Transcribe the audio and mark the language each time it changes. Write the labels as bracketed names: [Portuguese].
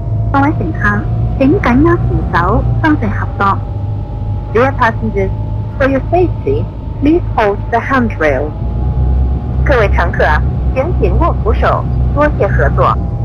[Chinese] 各位乘客，请紧握扶手，双臂合作。 [English] Dear passengers, for your safety, please hold the handrail. [Chinese] 各位乘客，请紧握扶手，多谢合作。